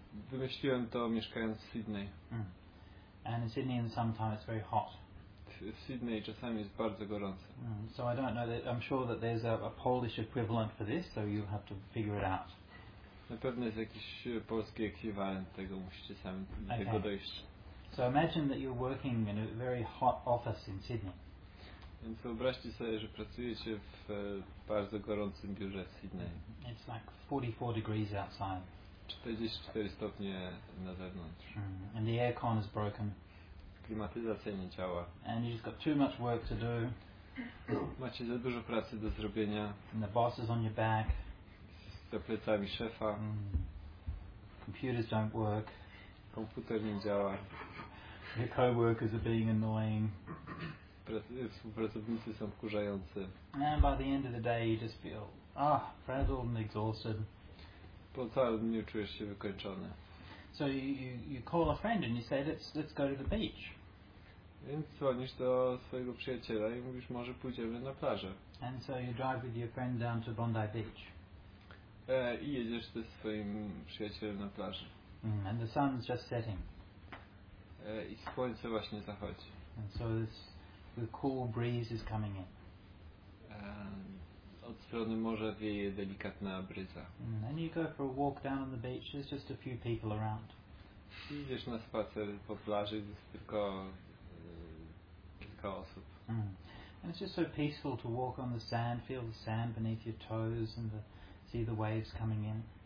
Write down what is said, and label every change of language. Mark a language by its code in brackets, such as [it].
[pl] Wymyśliłem to mieszkając w Sydney. [en] And in Sydney in the summertime it's very hot. [pl] W Sydney czasami jest bardzo gorące. [en] So I don't know that, I'm sure that there's a Polish equivalent for this, so you'll have to figure it out. [pl] Na pewno jest jakiś polski ekwiwalent tego, musicie sami do tego dojść. [en] So imagine that you're working in a very hot office in Sydney. [pl] Więc wyobraźcie sobie, że pracujecie w bardzo gorącym biurze w Sydney. [en] It's like 44 degrees outside. [pl] 44 stopnie na zewnątrz. [en] And the aircon is broken. [pl] Klimatyzacja nie działa. [en] And you just got too much work to do. [pl] Macie za dużo pracy do zrobienia. [en] And the boss is on your back. [pl] Za plecami szefa. [en] Computers don't work. [pl] Komputer nie działa. [en] Your co-workers are being annoying. [pl] Współpracownicy są wkurzający. [en] And by the end of the day you just feel frazzled and exhausted. [pl] Po całym dniu czujesz się wykończony. [en] So you call a friend and you say let's go to the beach. [pl] Więc dzwonisz do swojego przyjaciela i mówisz może pójdziemy na plażę. [en] And so you drive with your friend down to Bondi Beach. [pl] I jedziesz ze swoim przyjacielem na plażę. [en] And the sun's just setting. [pl] I słońce właśnie zachodzi. [en] And so the cool breeze is coming in. [pl] od strony morza wieje delikatna bryza. [en] And you go for a walk down on the beach, there's just a few people around. [pl] I idziesz na spacer po plaży, jest tylko kilka osób. [en] And it's just so peaceful to walk on the sand, feel the sand beneath your toes and the, see the waves coming in.